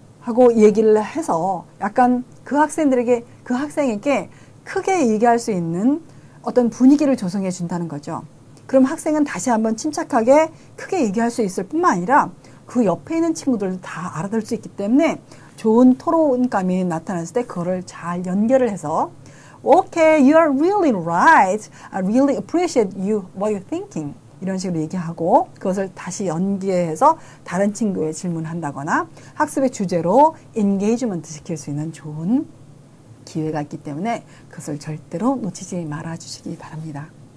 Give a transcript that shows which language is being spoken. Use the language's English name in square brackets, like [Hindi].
[Korean] 하고 얘기를 해서 약간 그 학생에게 크게 얘기할 수 있는 어떤 분위기를 조성해 준다는 거죠. 그럼 학생은 다시 한번 침착하게 크게 얘기할 수 있을 뿐만 아니라 그 옆에 있는 친구들도 다 알아들 수 있기 때문에 좋은 토론감이 나타났을 때 그거를 잘 연결을 해서 [English] Okay, you are really right. I really appreciate you what you're thinking. [Korean] 이런 식으로 얘기하고 그것을 다시 연계해서 다른 친구에 질문한다거나 학습의 주제로 engagement 시킬 수 있는 좋은 기회가 있기 때문에 그것을 절대로 놓치지 말아주시기 바랍니다.